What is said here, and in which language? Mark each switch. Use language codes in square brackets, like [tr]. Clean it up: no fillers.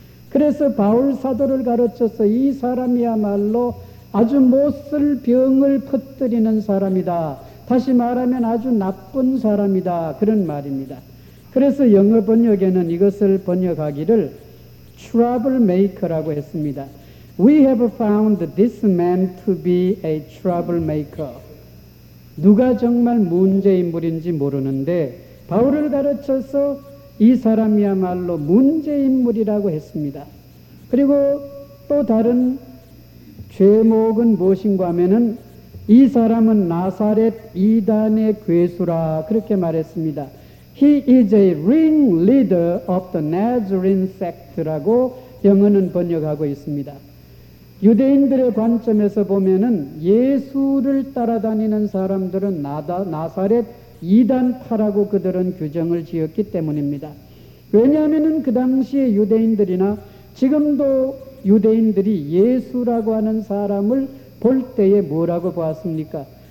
[ko] 그래서 바울 사도를 가르쳐서 이 사람이야말로 아주 못쓸 병을 퍼뜨리는 사람이다. 다시 말하면 아주 나쁜 사람이다. 그런 말입니다. 그래서 영어 번역에는 이것을 번역하기를 trouble maker라고 했습니다. [en] We have found this man to be a trouble maker. [ko] 누가 정말 문제인물인지 모르는데 바울을 가르쳐서 이 사람이야말로 문제인물이라고 했습니다. 그리고 또 다른 죄목은 무엇인가 하면은 이 사람은 나사렛 이단의 괴수라 그렇게 말했습니다. [en] He is a ringleader of the Nazarene sect라고 [ko] 영어는 번역하고 있습니다. 유대인들의 관점에서 보면은 예수를 따라다니는 사람들은 나사렛 이단파라고 그들은 규정을 지었기 때문입니다. 왜냐하면은 그 당시에 유대인들이나 지금도 유대인들이 예수라고 하는 사람을 볼 때에 뭐라고 보았습니까?